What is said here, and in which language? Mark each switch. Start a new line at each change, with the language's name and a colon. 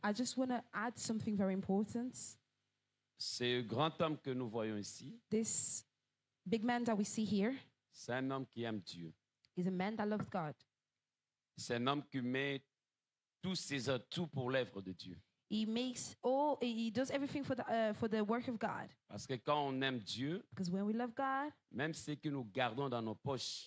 English: I just want to add something very important.
French: C'est un grand homme que nous voyons ici.
English: This big man that we see here.
French: C'est un homme qui aime Dieu.
English: He's a man that loves God.
French: C'est un homme qui met tous ses atouts pour l'œuvre de Dieu.
English: He makes all. He does everything for the work of God.
French: Parce que quand on aime Dieu,
English: because when we love God,
French: même ce que nous gardons dans nos poches,